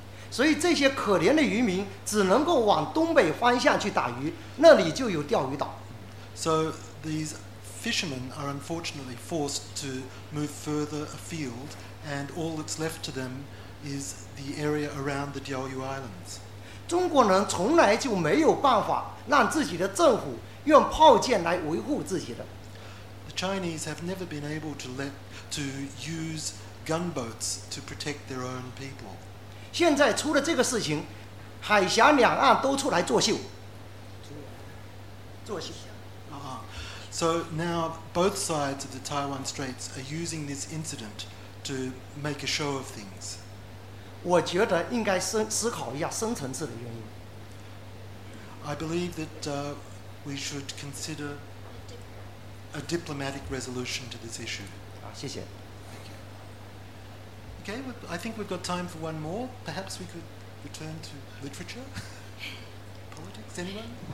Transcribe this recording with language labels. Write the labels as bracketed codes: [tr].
[zh] 所以这些可怜的渔民只能够往东北方向去打鱼，那里就有钓鱼岛。 [en] So these fishermen are unfortunately forced to move further afield, and all that's left to them is the area around the Diaoyu Islands. [zh] 中国人从来就没有办法让自己的政府用炮舰来维护自己的。 [en] The Chinese have never been able to use gunboats to protect their own people. [zh] 现在出了这个事情，海峡两岸都出来作秀。作秀。 [en] So now both sides of the Taiwan Straits are using this incident to make a show of things. [zh] 我觉得应该思考一下深层次的原因。 [en] I believe that we should consider a diplomatic resolution to this issue. [zh] 谢谢。 [en] Thank you. Okay, I think we've got time for one more. Perhaps we could return to literature, politics, anyone?